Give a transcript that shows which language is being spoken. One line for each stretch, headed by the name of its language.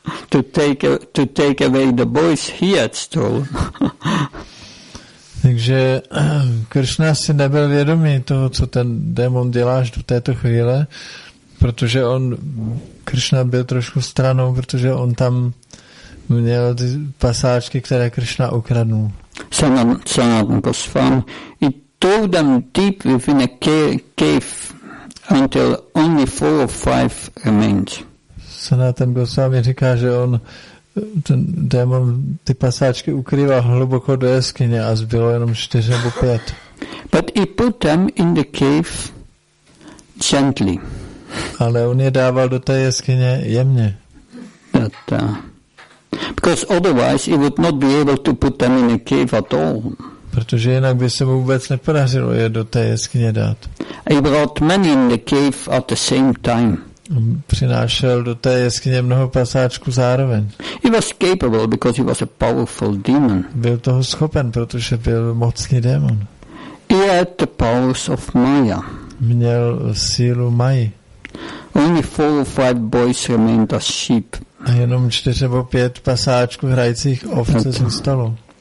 English: to take away the boys he had stolen.
Czech: Takže Krishna si nebyl vědomý toho, co ten démon dělá až do této chvíle, protože on, Krishna byl trošku stranou, protože on tam měl ty pasáčky, které Krishna ukradnul.
English: Sanatan Goswami, he threw them deep within a cave until only four or five remained.
Czech: Sanatan Goswami říká, že on ten démon ty pasáčky ukrývá hluboko do jeskyně a zbylo jenom čtyři nebo pět.
English: But he put them in the cave gently.
Czech: Ale on je dával do té jeskyně jemně.
English: That, because otherwise he would not be able to put them in a cave at all.
Czech: Protože jinak by se mu vůbec nepodařilo je do té jeskyně dát.
English: He brought many in the cave at the same time.
Czech: Přinášel do té jeskyně mnoho pasáčků zároveň.
English: He was capable because he was a powerful demon.
Czech: Byl toho schopen, protože byl mocný démon.
English: He had the powers of Maya.
Czech: Měl sílu Mayi.
English: Only four or five boys remained as sheep.
Czech: A jenom 4 nebo 5 pasáčků hrajících ovce zůstalo.